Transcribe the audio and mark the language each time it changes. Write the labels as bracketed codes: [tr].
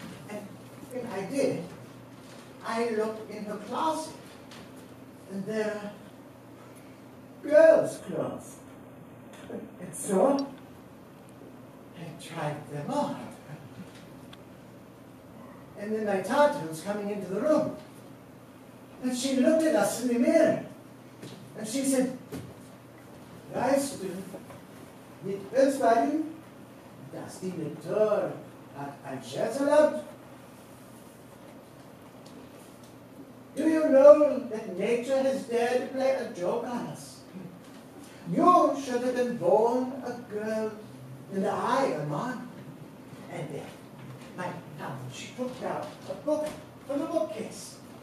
[en] And when I did, I looked in her closet, and there are girls' clothes. And so I tried them on. And then my tante was coming into the room. And she looked at us in the mirror. And she said, [de] "Weißt du, mit uns beiden, dass die Natur hat ein Scherz erlaubt? [en] Do you know that nature has dared to play a joke on us? You should have been born a girl. And I am on." And then my tante, she took out a book from the bookcase.